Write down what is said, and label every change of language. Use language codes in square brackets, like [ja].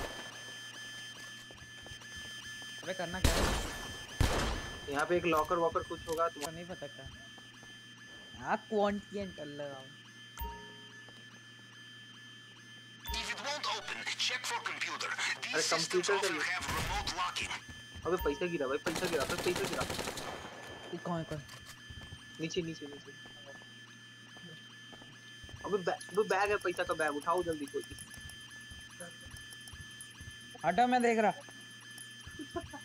[hi] अबे करना क्या है? यहाँ पे एक लॉकर वॉकर कुछ होगा तुम्हें नहीं पता क्या? हाँ क्वांटियंट लगाओ। [en] If it won't open, check for computer. These systems often have remote locking. [hi] अबे पैसा गिरा भाई, पैसा गिरा, तो पैसा गिरा। ये कहाँ है? कहाँ? नीचे नीचे नीचे। अबे बैग, अबे बैग है, पैसा का बैग उठाओ जल्दी कोई। हटा मैं देख रहा।